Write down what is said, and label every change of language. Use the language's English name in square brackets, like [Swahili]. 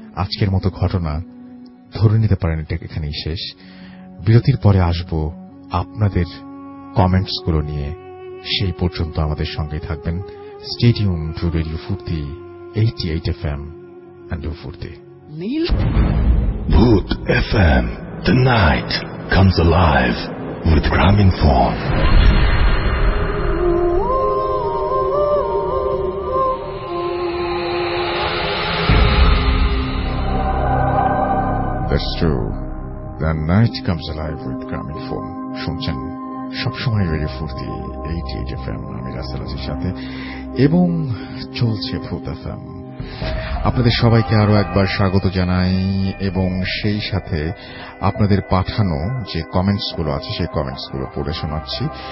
[Bangla] আজকের মতো ঘটনা ধরে নিতে পারেন এটা এখানেই শেষ। বিরতির পরে আসব আপনাদের কমেন্টসগুলো নিয়ে। সেই পর্যন্ত আমাদের সঙ্গে থাকবেন। স্টেডিয়াম টু রেডিও ফুর্তি 88 FM অ্যান্ড ফুর্তি [English] Neel Bhoot FM the night comes alive with Gramophone. That's true. The night comes alive with Gramophone. [Bangla] শুনছেন সবসময় রেডিও ফুর্তি 88 FM। আমি রাসেল আছি সাথে এবং চলছে ফুর্তি FM। আপনাদের সবাইকে আরো একবার স্বাগত জানাই এবং সেই সাথে আপনাদের পাঠানো যে কমেন্টসগুলো আছে সেই কমেন্টসগুলো পড়ে শোনাচ্ছি।